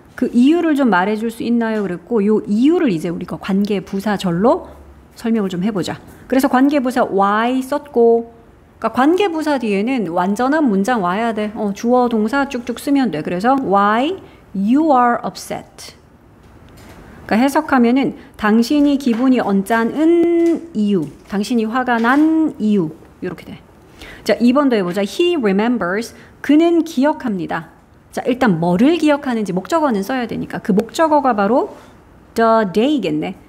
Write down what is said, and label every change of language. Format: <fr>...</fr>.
<ko>그 이유를 좀 말해줄 수 있나요? 그랬고 요 이유를 이제 우리가 관계부사절로 설명을 좀 해보자. 그래서 관계부사 why 썼고, 그러니까 관계부사 뒤에는 완전한 문장 와야 돼. 주어, 동사 쭉쭉 쓰면 돼. 그래서</ko> <en>why you are upset.</en> <ko>그러니까 해석하면은 당신이 기분이 언짢은 이유, 당신이 화가 난 이유 이렇게 돼. 자, 2번도 해보자.</ko> <en>He remembers.</en> <ko>그는 기억합니다. 자, 일단 뭐를 기억하는지 목적어는 써야 되니까 그 목적어가 바로 the day겠네.</ko>